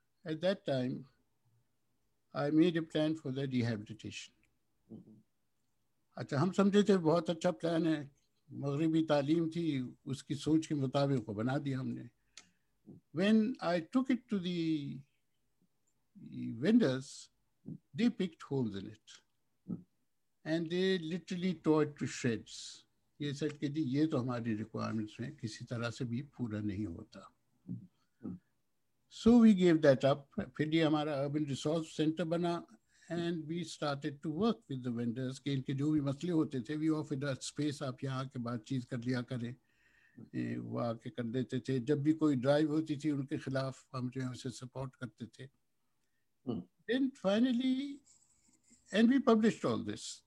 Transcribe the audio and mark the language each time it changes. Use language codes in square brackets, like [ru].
[en] At that time, I made a plan for the rehabilitation. [hi] अच्छा, हम समझे थे बहुत अच्छा प्लान है, मगरबी तालीम थी, उसकी सोच के मुताबिक को बना दिया हमने. [en] When I took it to the vendors, they picked holes in it, and they literally tore it to shreds. [hi] ये सच के जी, ये तो हमारी requirements में किसी तरह से भी पूरा नहीं होता. [en] So we gave that up. [hi] फिर ये हमारा अर्बन रिसोर्स सेंटर बना, [en] And we started to work with the vendors. [hi] Kinki jo bhi masle hote the, [en] we offered a space. [hi] Aap yahan ke baat cheez kar liya kare. Wo aake kar dete the. [en] Jab bhi koi drive hoti thi [hi] unke khilaf, hum jo hai usse support karte the. [en] Then finally, and we published all this.